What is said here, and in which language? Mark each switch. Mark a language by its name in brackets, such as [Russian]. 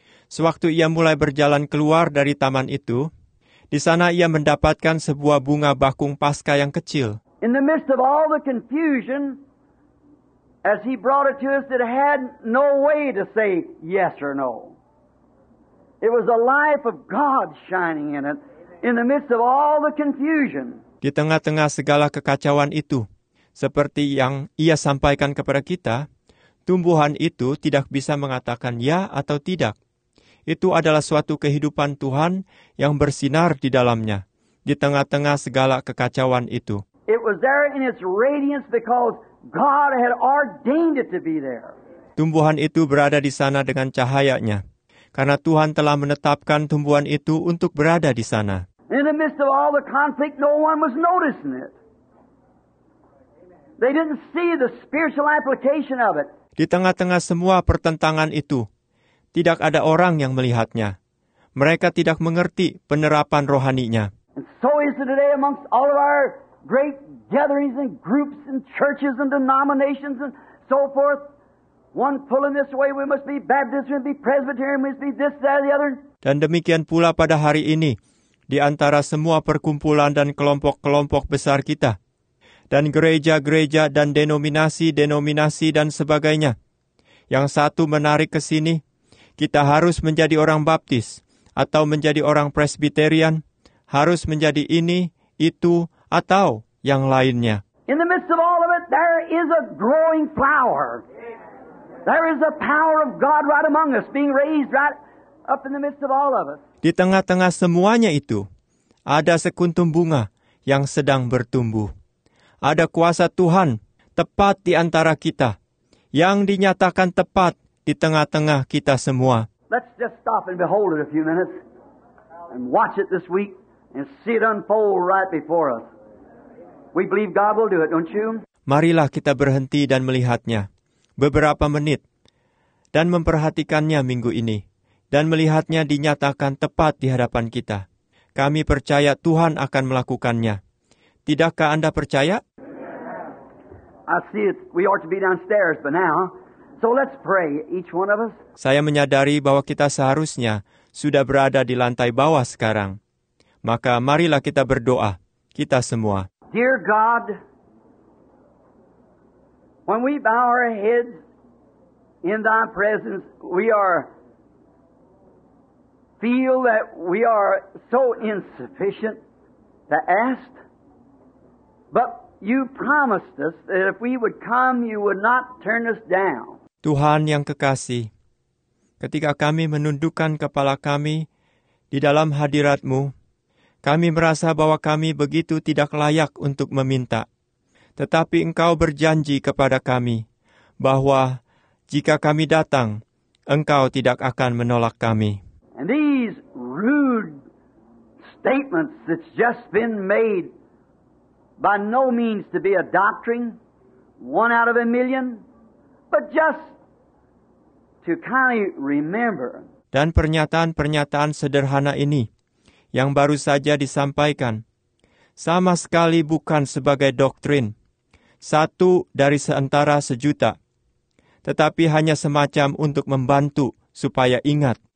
[Indonesian] Sewaktu ia mulai berjalan keluar dari taman itu, di sana ia mendapatkan sebuah bunga bakung Paskah yang kecil. [English] In the midst of all the confusion, as he brought it to us, it had no way to say yes or no. It was the life of God shining in it, in the midst of all the confusion. [Indonesian] Di tengah-tengah segala kekacauan itu, seperti yang ia sampaikan kepada kita, tumbuhan itu tidak bisa mengatakan ya atau tidak. Itu adalah suatu kehidupan Tuhan yang bersinar di dalamnya, di tengah-tengah segala kekacauan itu. [English] It was there in its radiance because God had ordained it to be there. [Indonesian] Tumbuhan itu berada di sana dengan cahayanya, karena Tuhan telah menetapkan tumbuhan itu untuk berada di sana. [English] In the midst of all the conflict, no one was noticing it. They didn't see the spiritual application of it. [Indonesian] Di tengah-tengah semua pertentangan itu, tidak ada orang yang melihatnya. Mereka tidak mengerti penerapan rohaninya. [English] And so is it today amongst all of our great gatherings and groups and churches and denominations and so forth. One pulling this way, we must be Baptist, we must be Presbyterian, we must be this, that, or the other. [Indonesian] Dan demikian pula pada hari ini, di antara semua perkumpulan dan kelompok-kelompok besar kita, dan gereja-gereja dan denominasi-denominasi dan sebagainya, yang satu menarik ke sini, kita harus menjadi orang Baptis atau menjadi orang Presbyterian, harus menjadi ini, itu, atau yang lainnya. [English] In the midst of all of it, there is a growing flower. There is the power of God right among us, being raised right up in the midst of all of us. [Indonesian] Di tengah-tengah semuanya itu, ada sekuntum bunga yang sedang bertumbuh. Ada kuasa Tuhan tepat di antara kita, yang dinyatakan tepat di tengah-tengah kita semua. [English] Let's just stop and behold it a few minutes and watch it this week and see it unfold right before us. We believe God will do it, don't you? [Indonesian] Marilah kita berhenti dan melihatnya beberapa menit dan memperhatikannya minggu ini dan melihatnya dinyatakan tepat di hadapan kita. Kami percaya Tuhan akan melakukannya. Tidakkah Anda percaya? [English] I see it. We ought to be downstairs by now. So let's pray, each one of us. [Indonesian] Saya menyadari bahwa kita seharusnya sudah berada di lantai bawah sekarang. Maka marilah kita berdoa, kita semua. [English] Dear God, when we bow our heads in Thy presence, we are feel that we are so insufficient to ask. But You promised us that if we would come, You would not turn us down. [Indonesian] Tuhan yang kekasih, ketika kami menundukkan kepala kami di dalam hadirat-Mu, kami merasa bahwa kami begitu tidak layak untuk meminta. Tetapi Engkau berjanji kepada kami bahwa jika kami datang, Engkau tidak akan menolak kami. [English] And these rude statements that's just been made by no means to be a doctrine, one out of a million, but just to kindly remember. [Indonesian] Dan pernyataan-pernyataan sederhana ini yang baru saja disampaikan sama sekali bukan sebagai doktrin satu dari seantara sejuta, tetapi hanya semacam untuk membantu supaya ingat.